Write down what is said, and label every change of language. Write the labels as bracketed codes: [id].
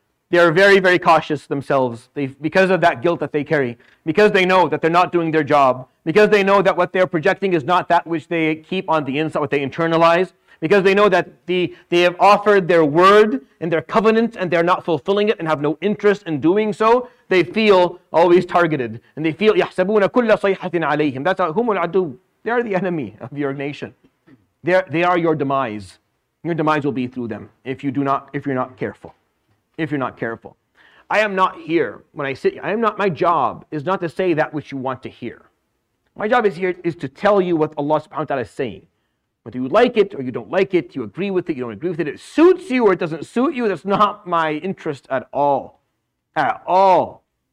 [en] They are very, very cautious themselves. Because of that guilt that they carry, because they know that they're not doing their job, because they know that what they're projecting is not that which they keep on the inside, what they internalize, because they know that they have offered their word and their covenant and they're not fulfilling it and have no interest in doing so, they feel always targeted. And they feel, [ar] يَحْسَبُونَ كُلَّ صَيْحَةٍ عَلَيْهِمْ. [en] That's [ar] هُمُ الْعَدُوُ. [en] They are the enemy of your nation. They are your demise. Your demise will be through them if you're not careful. I am not here when I sit. I am not, my job is not to say that which you want to hear. My job is here is to tell you what Allah subhanahu wa ta'ala is saying. Whether you like it or you don't like it, you agree with it, you don't agree with it, it suits you or it doesn't suit you, that's not my interest at all. At all.